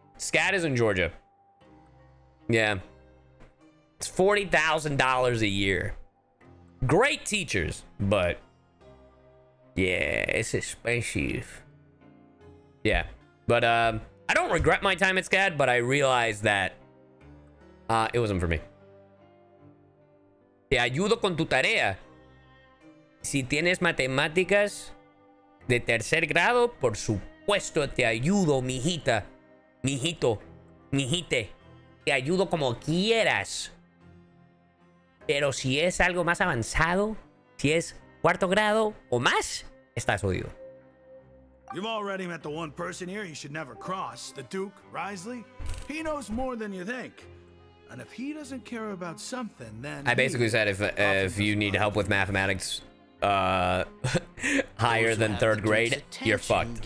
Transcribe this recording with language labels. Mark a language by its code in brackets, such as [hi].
[en] SCAD is in Georgia. Yeah. It's $40,000 a year. Great teachers, but yeah, it's expensive. Yeah. But I don't regret my time at SCAD, but I realized that it wasn't for me. [es] Te ayudo con tu tarea. Si tienes matemáticas de tercer grado, por supuesto te ayudo, mijita. Mijito, mijite, te ayudo como quieras. Pero si es algo más avanzado, si es cuarto grado o más, estás jodido. [en] You've already met the one person here you should never cross, the Duke, Risley. He knows more than you think. And if he doesn't care about something, then I basically said if you need help with mathematics higher than third grade, you're fucked.